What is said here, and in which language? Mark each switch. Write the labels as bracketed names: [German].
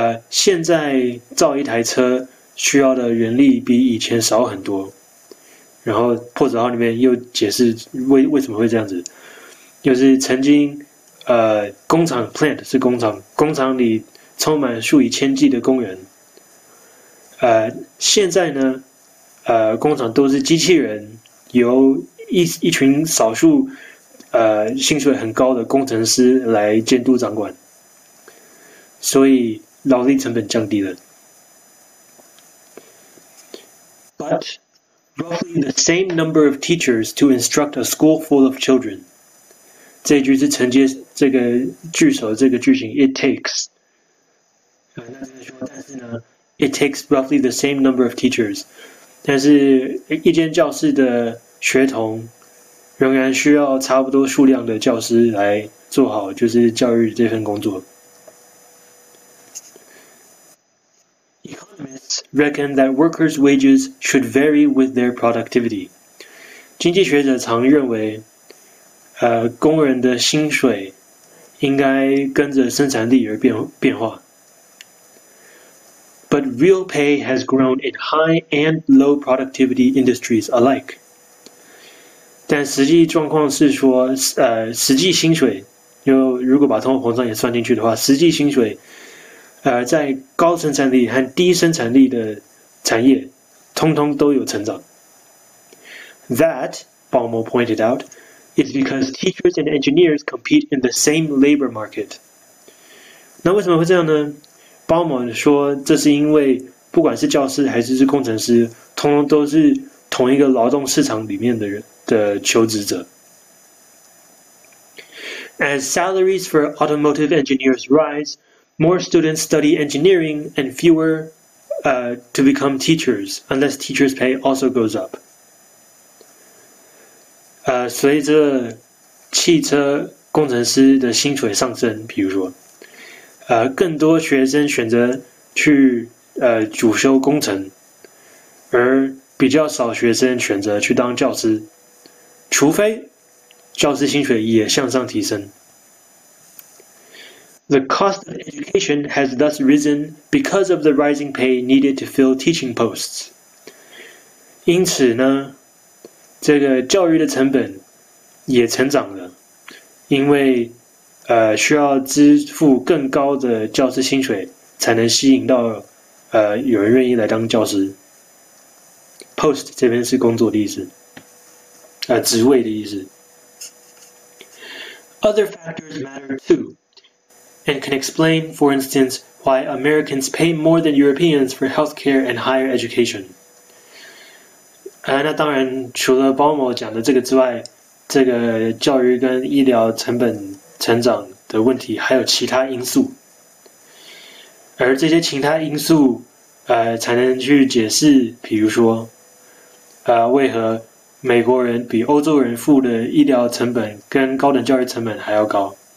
[Chinese] 现在造一台车需要的人力比以前少很多，然后破折号里面又解释为什么会这样子，就是曾经工厂 plant 是工厂，工厂里充满数以千计的工人，现在呢，工厂都是机器人，由一群少数薪水很高的工程师来监督掌管，所以。劳力成本降低了， [English] But roughly the same number of teachers to instruct a school full of children。 [Chinese] 这一句是承接这个句首这个句型， [English] It takes。 [Chinese] 那就是说，但是呢， [English] It takes roughly the same number of teachers。 [Chinese] 但是，一间教室的学童仍然需要差不多数量的教师来做好就是教育这份工作。 [English] Reckon that workers' wages should vary with their productivity。 [Chinese] 经济学者常认为，工人的薪水应该跟着生产力而变化。 [English] But real pay has grown in high and low productivity industries alike。 [Chinese] 但实际状况是说，实际薪水，就如果把通货膨胀也算进去的话，实际薪水。在高生产力和低生产力的产业，通通都有成长。 [English] That, Baumol pointed out, is because teachers and engineers compete in the same labor market. [Chinese] 那为什么会这样呢？鲍姆说，这是因为不管是教师还是工程师，通通都是同一个劳动市场里面的人的求职者。 [English] As salaries for automotive engineers rise, More students study engineering and fewer to become teachers unless teachers' pay also goes up. [Chinese] 随着汽车工程师的薪水上升，比如说，更多学生选择去主修工程，而比较少学生选择去当教师，除非教师薪水也向上提升。 [English] The cost of education has thus risen because of the rising pay needed to fill teaching posts. [Chinese] 因此呢，这个教育的成本也成长了，因为需要支付更高的教师薪水才能吸引到有人愿意来当教师。 Post 这边是工作的意思，职位的意思。 [English] Other factors matter too. And can explain, for instance, why Americans pay more than Europeans for healthcare and higher education. [Chinese] 那当然，除了鲍姆讲的这个之外，这个教育跟医疗成本成长的问题，还有其他因素。而这些其他因素，才能去解释，比如说，为何美国人比欧洲人付的医疗成本跟高等教育成本还要高。